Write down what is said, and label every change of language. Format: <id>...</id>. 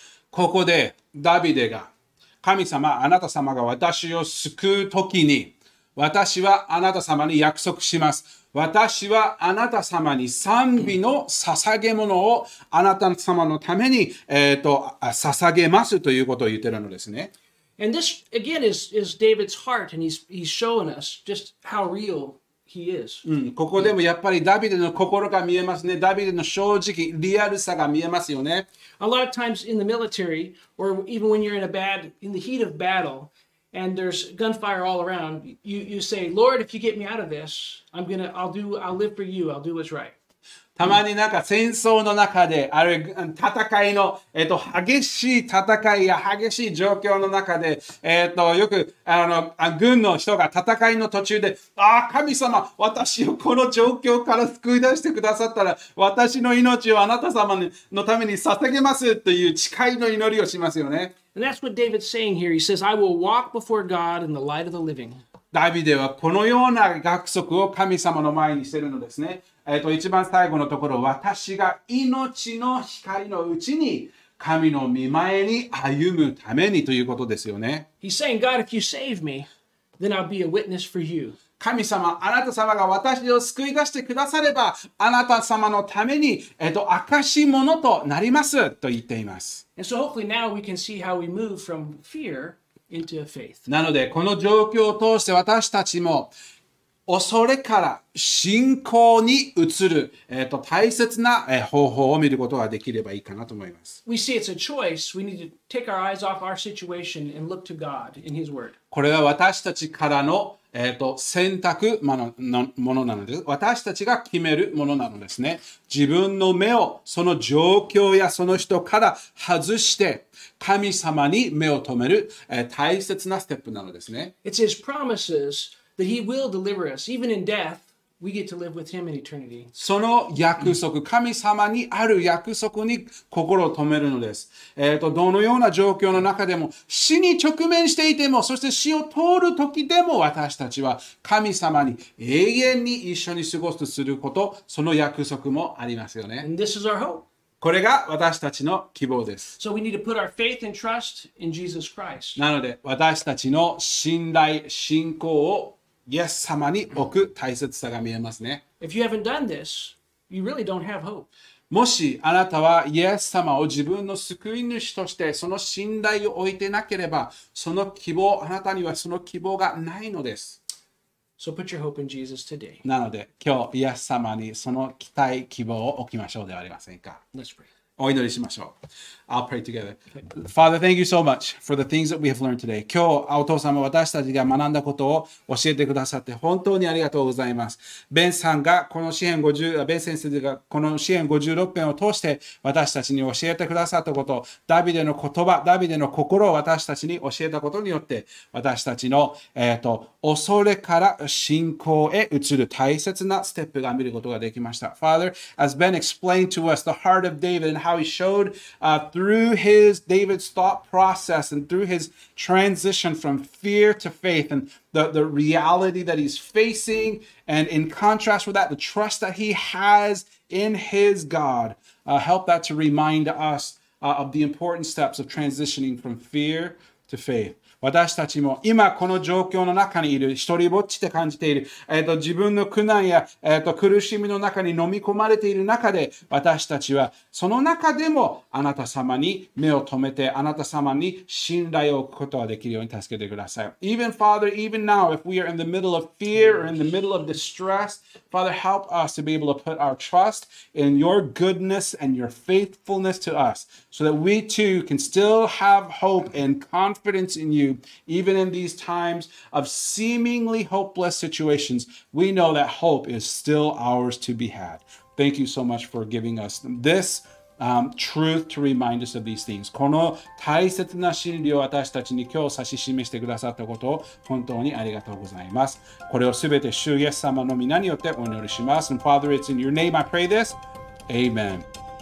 <ja>ここでダビデが神様あなた様が私を救うときに私はあなた様に約束します。私はあなた様に賛美の捧げ物をあなた様のために捧げますということを言ってるのですね。</ja> <en>And this, again, is David's heart, and he's showing us just how real he is.</en> <ja>ここでもやっぱりダビデの心が見えますね。ダビデの正直、リアルさが見えますよね。</ja> <en>A lot of times in the military, or even when you're in the heat of battle, and there's gunfire all around, you say, Lord, if you get me out of this, I'll live for you, I'll do what's right.</en> <ja>たまになんか戦争の中で、あるいは戦いの、激しい戦いや激しい状況の中で、よく、軍の人が戦いの途中で、ああ、神様、私をこの状況から救い出してくださったら、私の命をあなた様のために捧げますという誓いの祈りをしますよね。</ja> <en>And that's what David's saying here. He says, I will walk before God in the light of the living.</en> <ja>ダビデはこのような約束を神様の前にしているのですね。一番最後のところ、私が命の光のうちに神の御前に歩むためにということですよね。</ja> <en>He's saying, God, if you save me, then I'll be a witness for you.</en> <ja>神様、あなた様が私を救い出してくだされば、あなた様のために、証し者となりますと言っています。</ja> <en>And so hopefully now we can see how we move from fear. Into a faith.</en> <ja>なのでこの状況を通して私たちも恐れから信仰に移る、大切な方法を見ることができればいいかなと思います。</ja> <en>We see it's a choice. We need to take our eyes off our situation and look to God in His Word.</en> <ja>これは私たちからの、選択のものなのです。私たちが決めるものなのですね。自分の目をその状況やその人から外して神様に目を留める、大切なステップなのですね。</ja> <en>It's His promises. That He will deliver us. Even in death, we get to live with Him in eternity.</en> <ja>その約束、神様にある約束に心を留めるのです。どのような状況の中でも、死に直面していても、そして死を通る時でも、私たちは神様に永遠に一緒に過ごすとすること、その約束もありますよね。</ja> <en>And this is our hope.</en> <ja>これが私たちの希望です。</ja> <en>So we need to put our faith and trust in Jesus Christ.</en> <ja>なので私たちの信頼、信仰をイエス様に置く大切さが見えますね。</ja> <en>If you haven't done this, you really don't have hope.</en> <ja>もしあなたはイエス様を自分の救い主としてその信頼を置いてなければ、その希望、あなたにはその希望がないのです。</ja> <en>So put your hope in Jesus today.</en> <ja>なので今日イエス様にその期待希望を置きましょうではありませんか。</ja> <en>Let's pray.</en> <ja>お祈りしましょう。</ja> <en>I'll pray together. Father, thank you so much for the things that we have learned today.</en> <ja>今日お父様私たちが学んだことを教えてくださって本当にありがとうございます。ベンさんがこの詩編50、ベン先生がこの詩編56編を通して私たちに教えてくださったこと、ダビデの言葉、ダビデの心を私たちに教えたことによって私たちの恐れから信仰へ移る大切なステップが見ることができました。</ja> <en>Father, as Ben explained to us the heart of David and how he showed through his David's thought process and through his transition from fear to faith and the reality that he's facing and in contrast with that, the trust that he has in his God, help that to remind us of the important steps of transitioning from fear to faith.</en> <ja>私たちも今この状況の中にいる、一人ぼっちで感じている、自分の苦難や、苦しみの中に飲み込まれている中で、私たちはその中でもあなた様に目を留めて、あなた様に信頼を置くことができるように助けてください。</ja> <en>Even Father, even now, if we are in the middle of fear or in the middle of distress, Father, help us to be able to put our trust in your goodness and your faithfulness to us, so that we too can still have hope and confidence in you. Even in these times of seemingly hopeless situations, we know that hope is still ours to be had. Thank you so much for giving us this, truth to remind us of these things.</en> <ja>この大切な真理を私たちに今日指し示してくださったことを本当にありがとうございます。これをすべて主イエス様の御名によってお祈りします。</ja> <en>And Father, it's in your name I pray this. Amen.</en>